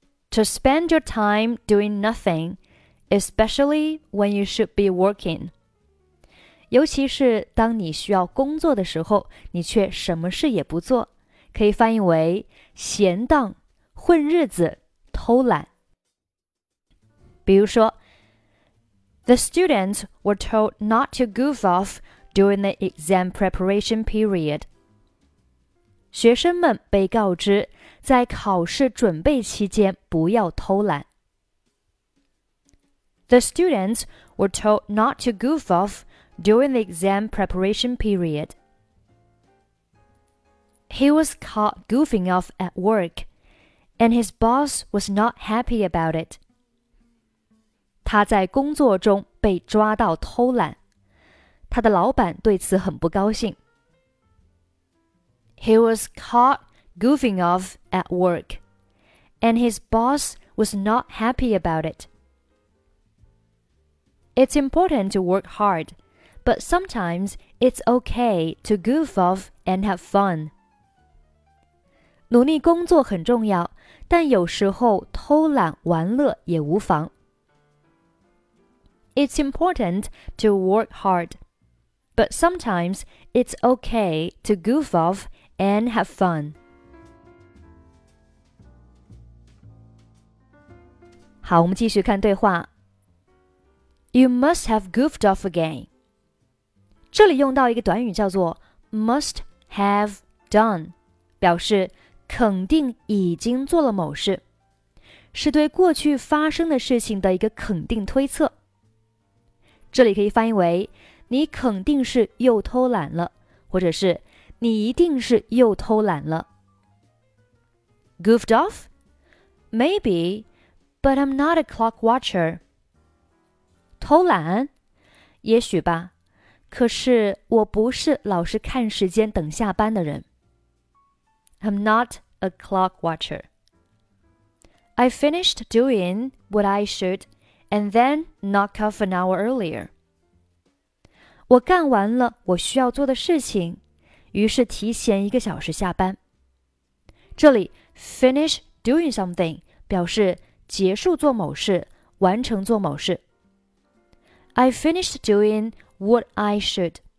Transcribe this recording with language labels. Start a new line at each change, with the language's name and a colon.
English: To spend your time doing nothing, especially when you should be working.
Chinese: 尤其是当你需要工作的时候，你却什么事也不做，可以翻译为闲荡、混日子、偷懒。比如说
English: The students were told not to goof off during the exam preparation period.
Chinese: 学生们被告知在考试准备期间不要偷懒。
English: The students were told not to goof offDuring the exam preparation period, he was caught goofing off at work, and his boss was not happy about it.
Chinese: 他在工作中被抓到偷懒，他的老板对此很不高兴。
English: He was caught goofing off at work, and his boss was not happy about it. It's important to work hard. But sometimes it's okay to goof off and have fun.
Chinese: 努力工作很重要，但有时候偷懒玩乐也无妨。
English: It's important to work hard, but sometimes it's okay to goof off and have fun.
Chinese: 好，我们继续看对话。
English: You must have goofed off again.
Chinese: 这里用到一个短语叫做 must have done, 表示肯定已经做了某事，是对过去发生的事情的一个肯定推测。这里可以翻译为你肯定是又偷懒了，或者是你一定是又偷懒了。
English: Goofed off? Maybe, but I'm not a clock watcher.
Chinese: 偷懒？也许吧，可是我不是老是看时间等下班的人。
English: I'm not a clock watcher. I finished doing what I should and then knock off an hour earlier.
Chinese: 我干完了我需要做的事情，于是提前一个小时下班。这里 finish doing something 表示结束做某事，完成做某事。
English: I finished doing what I should.